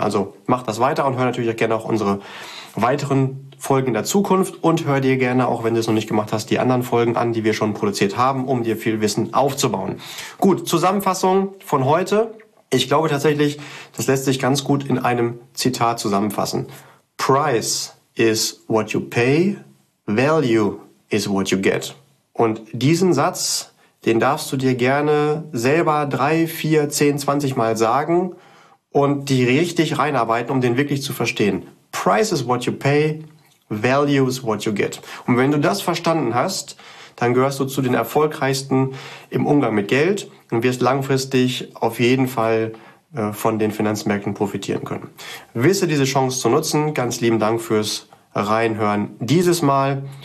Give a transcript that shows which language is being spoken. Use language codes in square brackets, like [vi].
[de] Also mach das weiter und hör natürlich auch gerne auch unsere weiteren Folgen in der Zukunft und hör dir gerne, auch wenn du es noch nicht gemacht hast, die anderen Folgen an, die wir schon produziert haben, um dir viel Wissen aufzubauen. Gut, Zusammenfassung von heute. Ich glaube tatsächlich, das lässt sich ganz gut in einem Zitat zusammenfassen. [en] Price is what you pay, value is what you get. [de] Und diesen Satz, den darfst du dir gerne selber 3, 4, 10, 20 Mal sagen und die richtig reinarbeiten, um den wirklich zu verstehen. [en] Price is what you pay, value is what you get. [de] Und wenn du das verstanden hast, dann gehörst du zu den erfolgreichsten im Umgang mit Geld und wirst langfristig auf jeden Fall von den Finanzmärkten profitieren können. Wisse diese Chance zu nutzen. Ganz lieben Dank fürs Reinhören dieses Mal.